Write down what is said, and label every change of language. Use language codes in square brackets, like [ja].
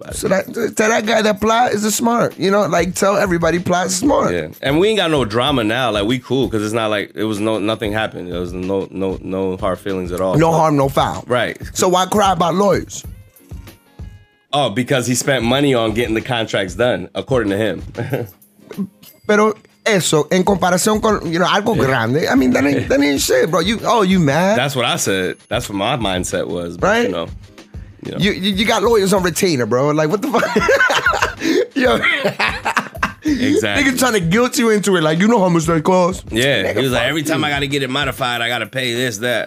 [en] So that guy that plot is a smart, you know? Like, tell everybody plot is smart. Yeah, and we ain't got no drama now. Like, we cool, because it's not like, it was nothing happened. There was no hard feelings at all. No harm, no foul. Right. So why cry about lawyers? Oh, because he spent money on getting the contracts done, according to him. [es] Pero eso, en comparación con, [en] you know, [es] algo grande. [en] I mean, that ain't shit, bro. You mad? That's what I said. That's what my mindset was. But, right? You know. You got lawyers on retainer, bro. Like, what the fuck? Yo. Exactly. Nigga trying to guilt you into it. Like, you know how much that costs. Yeah. Nigga, he was like, every time I got to get it modified, I got to pay this, that.